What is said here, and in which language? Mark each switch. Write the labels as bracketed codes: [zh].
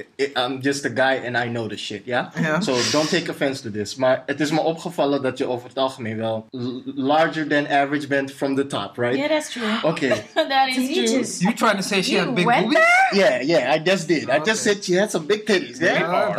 [en] I'm just a guy and I know the shit, ja? So don't take offense to this. [nl] Maar het is me opgevallen dat je over het algemeen wel... [en] larger than average bent from the top, right? Yeah, that's true. Okay. That is true. Just, you trying to say she had big boobies? Yeah, I just did. Oh, okay. I just said she had some big titties, yeah?